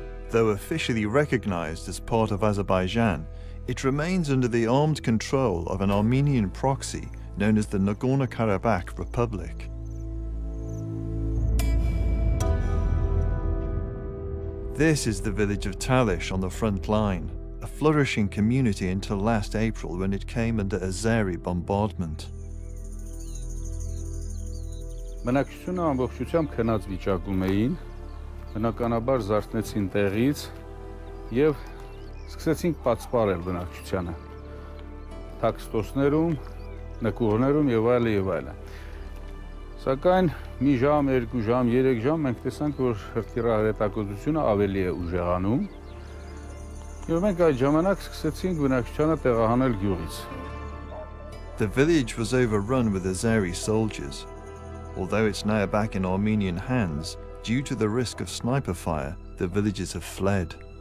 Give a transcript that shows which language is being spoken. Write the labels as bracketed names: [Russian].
[English] Though officially recognized as part of Azerbaijan, it remains under the armed control of an Armenian proxy known as the Nagorno-Karabakh Republic. This is the village of Talish on the front line, a flourishing community until last April, when it came under Azeri bombardment. [Armenian] Բնակչությունը ամբողջությամբ քնած վիճակում էին, բնականաբար զարթնեցին տեղից եւ սկսեցին պատսպարել բնակչությանը տաքստոսներում, նկուղներում եւ այլն եւ այլն։ Սակայն մի ժամ, 2 ժամ, 3 ժամ մենք տեսանք, որ հրթիռ հրետակոծությունը ավելի է ուժեղանում։ [English] The village was overrun with Azeri soldiers. Although it's now back in Armenian hands, due to the risk of sniper fire, the villagers have fled.